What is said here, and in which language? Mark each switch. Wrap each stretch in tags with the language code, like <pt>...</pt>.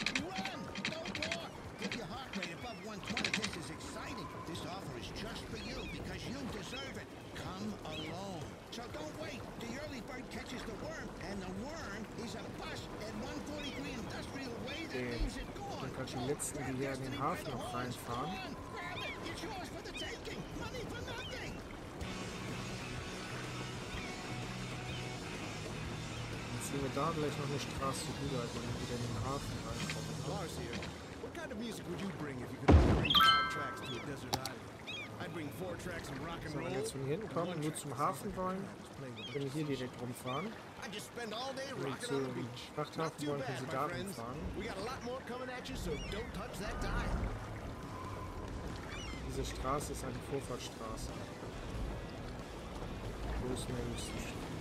<en>Run! Don't walk! Get your heart rate above 120. This is exciting. This offer is just for you because you deserve it. Come alone. So don't wait. The early bird catches the worm, and the worm is a bus at 143 Industrial Way that leaves it gone.</en> <de>Dann kannst du jetzt in die Herden Hafen noch reinfahren.</de> <en>Grab it! It's yours for the taking! Money for nothing!</en> <de>Dann ziehen wir da gleich noch eine Straße rüber, wenn wir wieder in den Hafen reinkommen. Lars hier.</de> <en>What kind of music would you bring if you could only bring 5 tracks to a desert island? I'd bring 4 tracks and rock and roll.</en> <de>So, wenn wir jetzt von hinten kommen, nur zum Hafen wollen, können wir hier direkt rumfahren.</de> <en>I just spend all day rocking on the beach.</en> <de>Frachthafen wollen, können Sie da rumfahren.</de> <en>We got a lot more coming at you, so don't touch that dial.</en> <de>Diese Straße ist eine Vorfahrtsstraße. Wo ist meine Straße?</de>